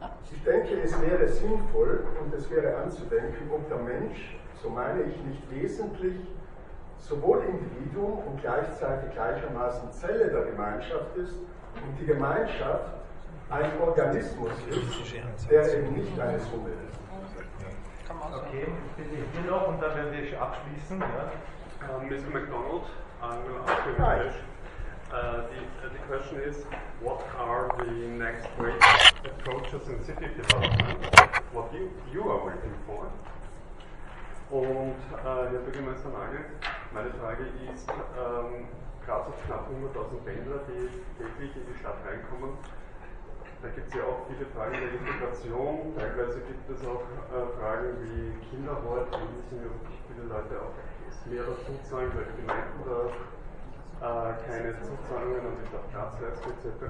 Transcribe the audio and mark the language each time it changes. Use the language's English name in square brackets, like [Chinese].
[German] Ich denke, es wäre sinnvoll und es wäre anzudenken, ob der Mensch, so meine ich, nicht wesentlich sowohl Individuum und gleichzeitig gleichermaßen Zelle der Gemeinschaft ist, und die Gemeinschaft ein Organismus ist, der eben nicht eine Summe ist. Okay, bitte hier noch und dann werde ich abschließen. Ja. [English] Mr. McDonald, I'm English. The question is, what are the next great approaches in city development? What you are waiting for? [German] und Herr Bürgermeister Nagel, meine Frage ist, gerade so knapp 100.000 Pendler, die täglich in die Stadt reinkommen, da gibt es ja auch viele Fragen der Integration, teilweise gibt es auch Fragen wie Kinderwort, da müssen ja wirklich viele Leute auch mehr dazu zahlen, weil die Gemeinden da keine Zuzahlungen und nicht auch Platzleistung etc.